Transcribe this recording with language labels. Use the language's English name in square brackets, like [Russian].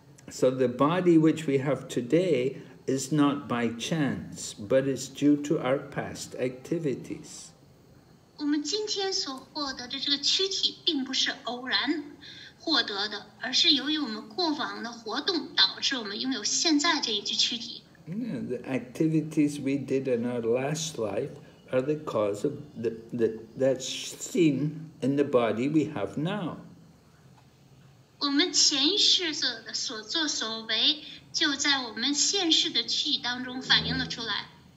[English] So the body which we have today is not by chance, but is due to our past activities. [Chinese] 我们今天所获得的这个躯体并不是偶然获得的，而是由于我们过往的活动导致我们拥有现在这一具躯体。 [English] Yeah, the activities we did in our last life are the cause of that's seen in the body we have now. [Chinese] 我们前世的所作所为就在我们现世的躯体当中反映了出来。